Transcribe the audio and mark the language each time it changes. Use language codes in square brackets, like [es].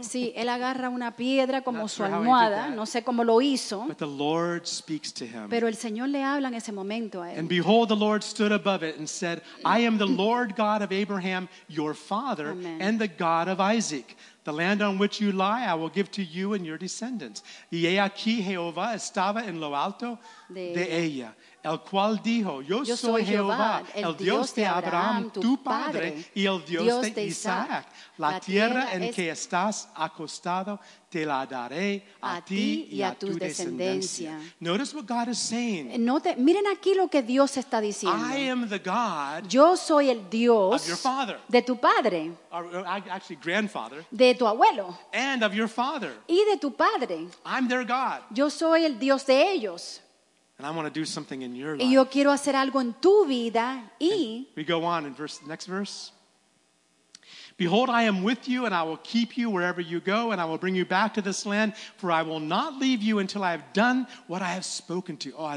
[es] Sí, él agarra una piedra como su almohada. No sé cómo lo hizo. [en] But the Lord speaks to him. [es] Pero el Señor le habla en ese momento a él. [en] And behold, the Lord stood above it and said, "I am the Lord God of Abraham, your father, Amen. And the God of Isaac." The land on which you lie, I will give to you and your descendants. [es] Y he aquí Jehová estaba en lo alto de ella, el cual dijo, Yo soy Jehová, el Dios de Abraham, tu padre, y el Dios de Isaac. La tierra en que estás acostado te la daré a ti y a tu descendencia. [en] Notice what God is saying. [es] Note, miren aquí lo que Dios está diciendo. [en] I am the God [es] Yo soy el Dios [en] of your father, [es] de tu padre. [en] Or actually grandfather, [es] de tu abuelo. [en] And of your father. [es] Y de tu padre. [en] I'm their God. [es] Yo soy el Dios de ellos. [en] And I want to do something in your life. [es] Y yo quiero hacer algo en tu vida. Y [en] we go on in verse, next verse. Behold, I am with you, and I will keep you wherever you go, and I will bring you back to this land, for I will not leave you until I have done what I have spoken to you. Oh, I